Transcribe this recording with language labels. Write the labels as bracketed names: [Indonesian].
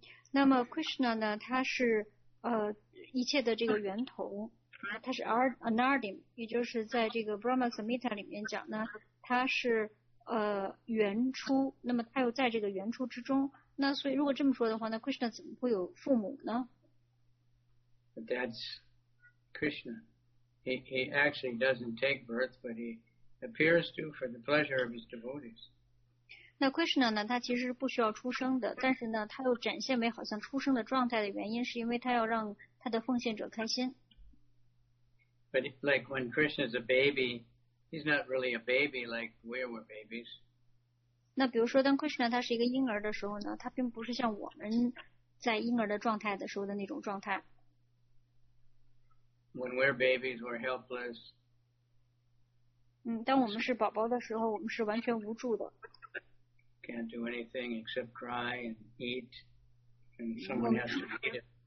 [Chinese] 那么 Krishna 呢，他是一切的这个源头，他是 Anardim， 也就是在这个 Brahma Samhita 里面讲呢，他是原初，那么他又在这个原初之中，那所以如果这么说的话，那 Krishna 怎么会有父母呢？ [English] That's Krishna. He actually doesn't take birth, but he appears to for the pleasure of his devotees. [Chinese] 那 Krishna 呢，他其实是不需要出生的，但是呢，他又展现为好像出生的状态的原因，是因为他要让他的奉献者开心。 [English] But like when Krishna is a baby, he's not really a baby like we were babies. [Chinese] 那比如说，当 Krishna 他是一个婴儿的时候呢，他并不是像我们在婴儿的状态的时候的那种状态。 [English] When we're babies, we're helpless. [Chinese] 当我们是宝宝的时候，我们是完全无助的。 [English] Can't do anything except cry and eat, and someone has to feed it.